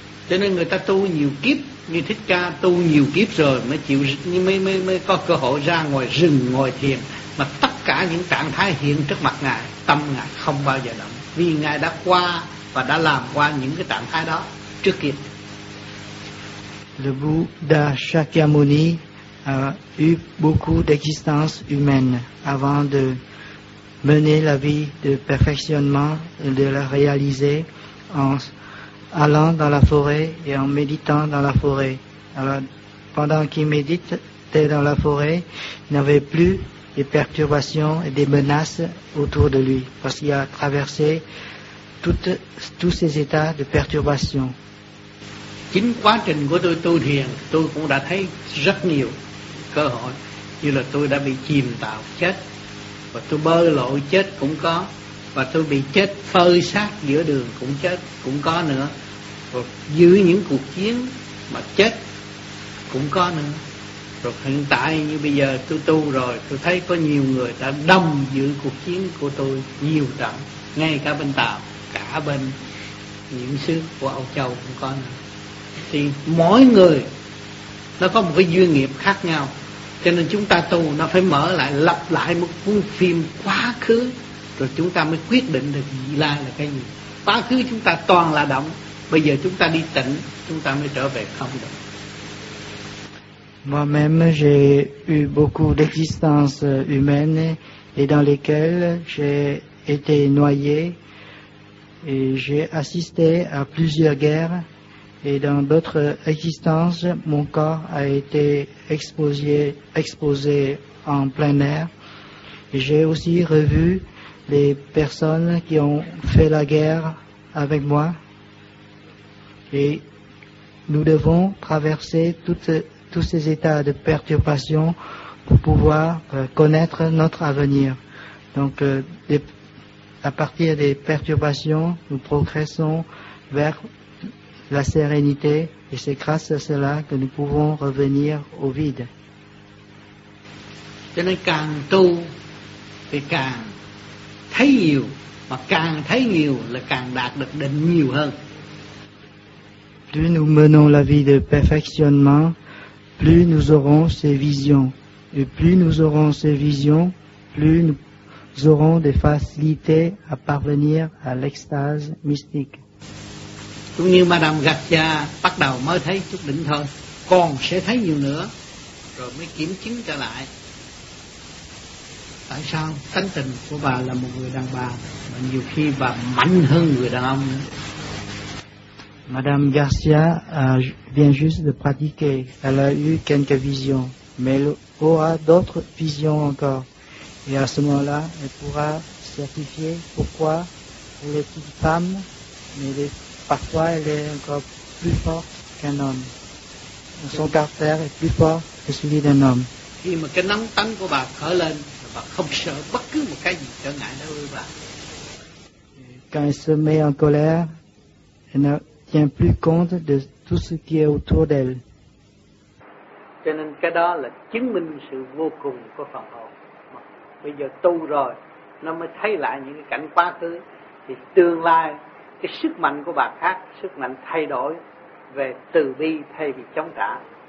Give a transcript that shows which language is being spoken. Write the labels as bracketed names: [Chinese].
[Vietnamese] Cho nên người ta tu nhiều kiếp, như Thích Ca tu nhiều kiếp rồi mới chịu, mới có cơ hội ra ngoài rừng ngồi thiền, mà tất cả những trạng thái hiện trước mặt ngài, tâm ngài không bao giờ động, vì ngài đã qua và đã làm qua những cái trạng thái đó trước kia. [French] Le Bouddha Shakyamuni a eu beaucoup d'existence humaine avant de mener la vie de perfectionnement et de la réaliser en allant dans la forêt et en méditant dans la forêt. Alors, pendant qu'il méditait dans la forêt, il n'avait plus des perturbations et des menaces autour de lui parce qu'il a traversé tous ces états de perturbation. [Vietnamese] Chính quá trình của tôi tu thiền, tôi cũng đã thấy rất nhiều cơ hội, như là tôi đã bị chìm tạo chết, và tôi bơ lội chết cũng có, và tôi bị chết phơi xác giữa đường cũng chết cũng có nữa, rồi dưới những cuộc chiến mà chết cũng có nữa. Rồi hiện tại như bây giờ tôi tu rồi, tôi thấy có nhiều người đã đâm giữa cuộc chiến của tôi nhiều trận, ngay cả bên Tàu, cả bên những xứ của Âu Châu cũng có nữa. Thì mỗi người nó có một cái duyên nghiệp khác nhau, cho nên chúng ta tu nó phải mở lại, lặp lại một cuốn phim quá khứ, rồi chúng ta mới quyết định được vị lai là cái gì. Quá khứ chúng ta toàn là động, bây giờ chúng ta đi tỉnh, chúng ta mới trở về không động. [French] Moi-même, j'ai eu beaucoup d'existences humaines et dans lesquelles j'ai été noyé, et j'ai assisté à plusieurs guerres. Et dans d'autres existences, mon corps a été exposé en plein air. Et j'ai aussi revu les personnes qui ont fait la guerre avec moi. Et nous devons traverser tous ces états de perturbation pour pouvoir connaître notre avenir. Donc, à partir des perturbations, nous progressons vers la sérénité, et c'est grâce à cela que nous pouvons revenir au vide. [Vietnamese] Cho nên càng tu thì càng thấy nhiều, mà càng thấy nhiều là càng đạt được định nhiều hơn. [French] Plus nous menons la vie de perfectionnement, plus nous aurons ces visions. Et plus nous aurons ces visions, plus nous aurons des facilités à parvenir à l'extase mystique. [Vietnamese] Cũng như Madame Gatia bắt đầu mới thấy chút đỉnh thôi, còn sẽ thấy nhiều nữa, rồi mới kiểm chứng trở lại. Tại sao tánh tình của bà là một người đàn bà, mà nhiều khi bà mạnh hơn người đàn ông nữa. [French] Madame Gatia vient juste de pratiquer, elle a eu quelques visions, mais elle aura d'autres visions encore. Et à ce moment-là, elle pourra certifier pourquoi elle est une femme, mais elle est parfois, elle est encore plus forte qu'un homme. Son caractère est plus fort que celui d'un homme. [Vietnamese] Khi mà cái nóng tánh của bà khởi lên, bà không sợ bất cứ một cái gì trở ngại đâu bà. [French] Quand elle se met en colère, elle ne tient plus compte de tout ce qui est autour d'elle. [Vietnamese] Cho nên cái đó là chứng minh sự vô cùng của phần hồn. Bây giờ tu rồi, nó mới thấy lại những cái cảnh quá khứ, thì tương lai cái sức mạnh của bà khác, sức mạnh thay đổi về từ bi thay vì chống trả.